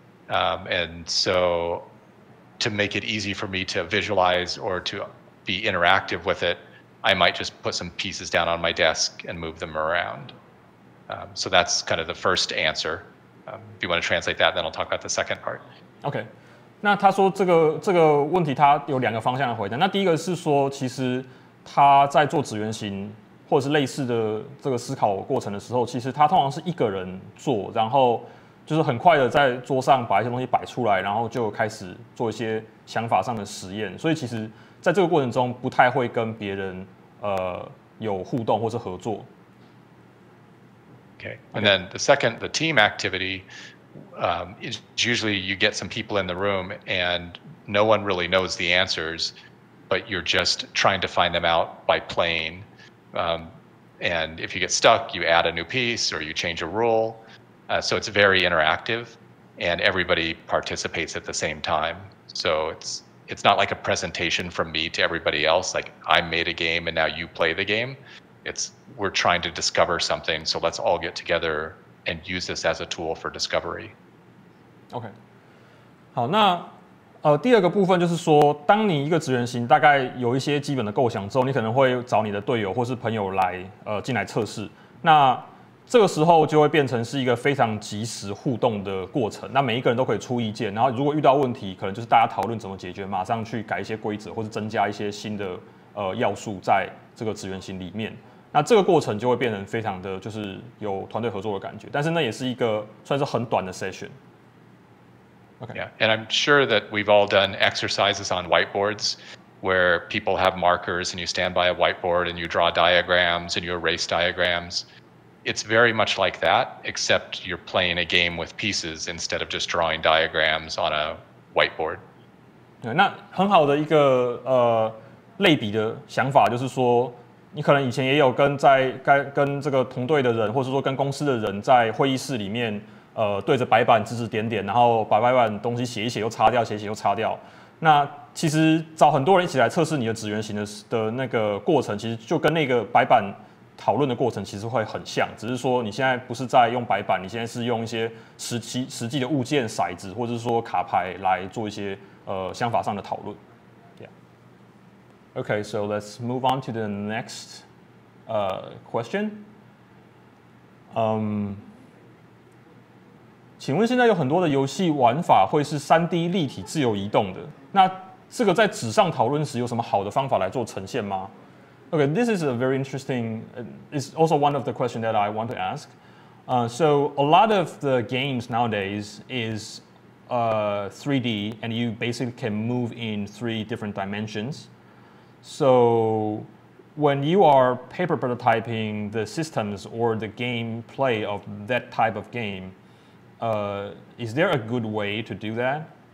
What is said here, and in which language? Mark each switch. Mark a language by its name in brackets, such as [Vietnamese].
[English] And so to make it easy for me to visualize or to be interactive with it, I might just put some pieces down on my desk and move them around. So that's kind of the first answer. If you want to translate that, then I'll talk about the second part. [Chinese] OK, 那他说这个问题他有两个方向的回答。那第一个是说，其实他在做纸原型或者是类似的这个思考过程的时候，其实他通常是一个人做，然后就是很快的在桌上把一些东西摆出来，然后就开始做一些想法上的实验。所以其实在这个过程中不太会跟别人有互动或是合作。 [English] Okay. And then the second, the team activity, is usually you get some people in the room and no one really knows the answers, but you're just trying to find them out by playing. And if you get stuck, you add a new piece or you change a rule. So it's very interactive and everybody participates at the same time. So it's not like a presentation from me to everybody else, like I made a game and now you play the game. We're trying to discover something, so let's all get together and use this as a tool for discovery. [Chinese] Okay. 好，那第二个部分就是说，当你一个纸原型大概有一些基本的构想之后，你可能会找你的队友或是朋友来进来测试。那这个时候就会变成是一个非常及时互动的过程，那每一个人都可以出意见，然后如果遇到问题，可能就是大家讨论怎么解决，马上去改一些规则或是增加一些新的要素在这个纸原型里面。那这个过程就会变成非常的就是有团队合作的感觉，但是那也是一个算是很短的 session。 [English] Okay. Yeah, and I'm sure that we've all done exercises on whiteboards where people have markers and you stand by a whiteboard and you draw diagrams and you erase diagrams. It's very much like that, except you're playing a game with pieces instead of just drawing diagrams on a whiteboard. [Chinese] 对，那很好的一个类比的想法就是说，你可能以前也有跟这个同队的人，或是说跟公司的人在会议室里面。对着白板指指点点，然后把白板东西写一写又擦掉，写一写又擦掉。那其实找很多人一起来测试你的纸原型 的那个过程，其实就跟那个白板讨论的过程其实会很像，只是说你现在不是在用白板，你现在是用一些实际的物件、骰子或者是说卡牌来做一些想法上的讨论。 [English] Yeah. Okay, so let's move on to the next question. [Chinese] 请问现在有很多的游戏玩法会是 3D 立体自由移动的，那这个在纸上讨论时有什么好的方法来做呈现吗？ [English] Okay, this is a very interesting, it's also one of the questions that I want to ask. So a lot of the games nowadays is 3D and you basically can move in three different dimensions. So when you are paper prototyping the systems or the gameplay of that type of game,is there a good way to do that?